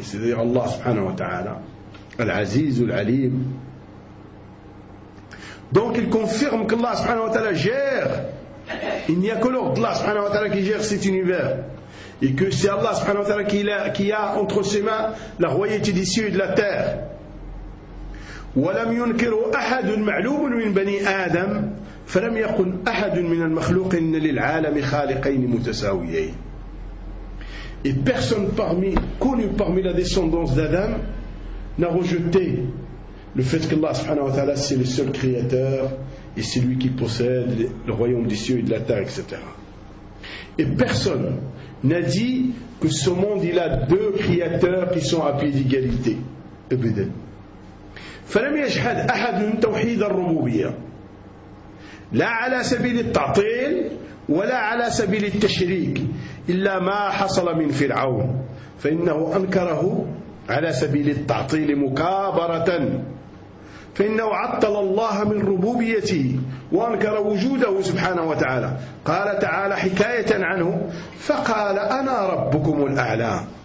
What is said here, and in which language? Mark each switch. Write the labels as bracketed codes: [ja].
[fr] C'est-à-dire Allah subhanahu wa ta'ala, Al-Aziz ou Al-Alim. Donc ils confirment qu'Allah subhanahu wa ta'ala gère. Il n'y a que l'ordre d'Allah subhanahu wa ta'ala qui gère cet univers. Et que c'est Allah subhanahu wa ta'ala qui a entre ses mains la royauté des cieux et de la terre. [ar] ولم ينكر أحد معلوم من بني آدم فلم يقل أحد من المخلوق إن للعالم خالقين متساويين. [fr] Et personne parmi, connu parmi la descendance d'Adam, n'a rejeté le fait qu'Allah subhanahu wa ta'ala c'est le seul créateur et c'est lui qui possède le royaume des cieux et de la terre, etc. Et personne n'a dit que ce monde il a deux créateurs qui sont à pied d'égalité. [ar] Ebeden. فَلَمْ يَجْحَدْ أَحَدٌ تَوْحِيدَ الرُّبُوبِيَّةِ لَا عَلَى سَبِيلِ التَّعْطِيلِ وَلَا عَلَى سَبِيلِ التَّشْرِيكِ إلا ما حصل من فرعون فإنه أنكره على سبيل التعطيل مكابرة فإنه عطل الله من ربوبيته وأنكر وجوده سبحانه وتعالى قال تعالى حكاية عنه فقال أنا ربكم الأعلى